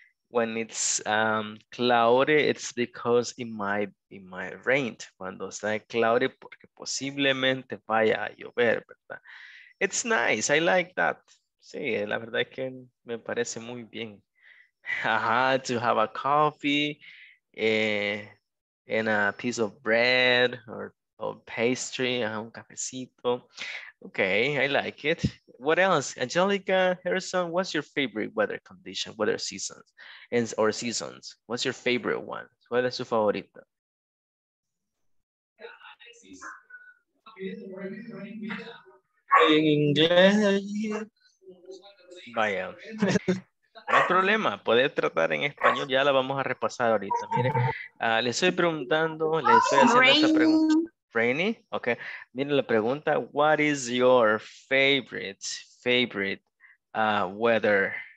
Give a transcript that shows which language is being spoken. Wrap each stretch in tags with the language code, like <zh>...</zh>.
<en>When it's cloudy, it's because it might rain.</en> <es>Cuando está cloudy, porque posiblemente vaya a llover, ¿verdad?</es> <en>It's nice. I like that.</en> <es>Sí, la verdad es que me parece muy bien.</es> <en>To have a coffee and a piece of bread or pastry,</en> <es>un cafecito.</es> <en>Okay, I like it. what else? Angelica Harrison, what's your favorite weather condition, weather seasons, and or seasons? What's your favorite one?</en> <es>¿Cuál es su favorita? En inglés. Vaya. No hay problema, puedes tratar en español, ya la vamos a repasar ahorita. Miren, le estoy preguntando, le estoy haciendo esta pregunta.</es> <en>Rainy, ok.</en> <es>Miren la pregunta,</es> <en>what is your favorite weather?</en>